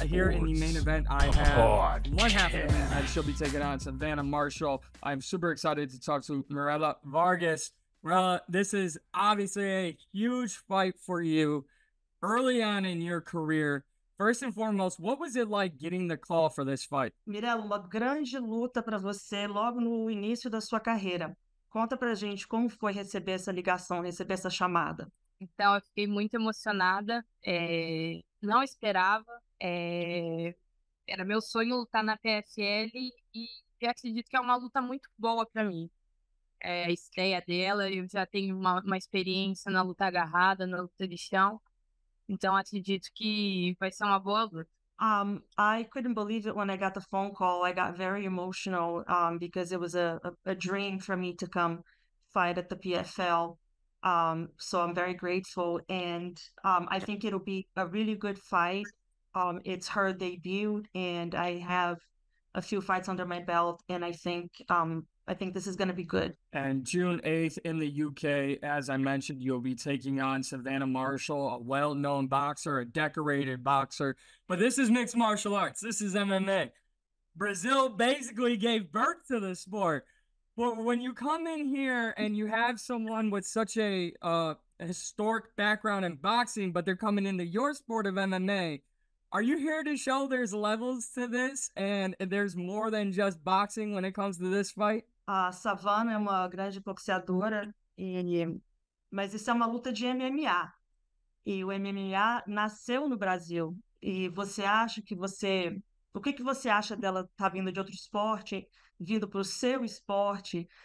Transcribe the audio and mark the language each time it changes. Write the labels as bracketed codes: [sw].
[en] And here in the main event, I have one half of the man, and she'll be taking on Savannah Marshall. I'm super excited to talk to Mirella Vargas. Mirella, this is obviously a huge fight for you early on in your career. First and foremost, what was it like getting the call for this fight? [pt] Mirella, uma grande luta para você logo no início da sua carreira. Conta pra gente como foi receber essa ligação, receber essa chamada. Então, eu fiquei muito emocionada. Não esperava. Era meu sonho lutar na PFL e eu acredito que é uma luta muito boa para mim. É a estreia dela, eu já tenho uma experiência na luta agarrada, na luta de chão. Então, acredito que vai ser uma boa luta. [en] I couldn't believe it when I got the phone call. I got very emotional because it was a dream for me to come fight at the PFL. So I'm very grateful. And I think it'll be a really good fight. It's her debut, and I have a few fights under my belt. And I think this is going to be good. And June 8th in the UK, as I mentioned, you'll be taking on Savannah Marshall, a well-known boxer, a decorated boxer. But this is mixed martial arts. This is MMA. Brazil basically gave birth to the sport. But when you come in here and you have someone with such a historic background in boxing, but they're coming into your sport of MMA, are you here to show there's levels to this and there's more than just boxing when it comes to this fight? [pt] A Savannah é uma grande boxeadora, mas isso é uma luta de MMA. E o MMA nasceu no Brasil. E você acha que você... O que você acha dela estar vindo de outro esporte, vindo para o seu esporte?